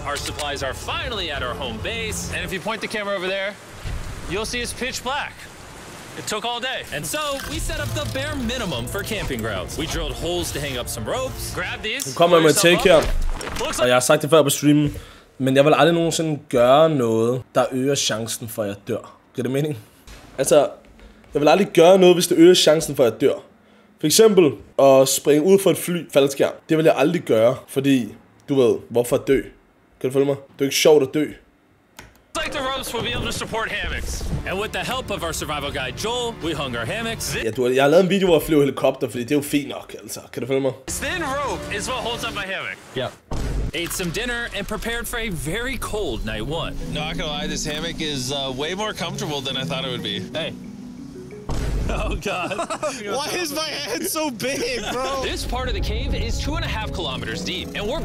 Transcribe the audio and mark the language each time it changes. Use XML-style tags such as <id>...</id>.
<en>Our supplies are finally at our home base. And if you point the camera over there, you'll see it's pitch black. It took all day. And so, we set up the bare minimum for camping grounds. We drilled holes to hang up some ropes. Grab these.</en> <da>Nu kommer jeg med take her. Og jeg har sagt det før på streamen. Men jeg vil aldrig nogensinde gøre noget, der øger chancen for, at jeg dør. Giver det mening? Altså, jeg vil aldrig gøre noget, hvis det øger chancen for, at jeg dør. For eksempel, at springe ud fra et fly faldskærm. Det vil jeg aldrig gøre, fordi du ved, hvorfor dø? Kan du følge mig? Det er ikke sjovt at dø.</da> <en>Like the ropes will be able to support hammocks. And with the help of our survival guide Joel, we hung our hammocks.</en> <da>Ja, du, jeg har lavet en video hvor jeg flyver en helikopter, fordi det er jo fint nok, altså. Kan du følge mig?</da> <en>This thin rope is what holds up my hammock. Yeah. Ate some dinner and prepared for a very cold night one. Not gonna lie, this hammock is way more comfortable than I thought it would be. Hey. Oh god. Why is my head so big, bro? This part of the cave is 2.5 kilometers deep, and we're</en>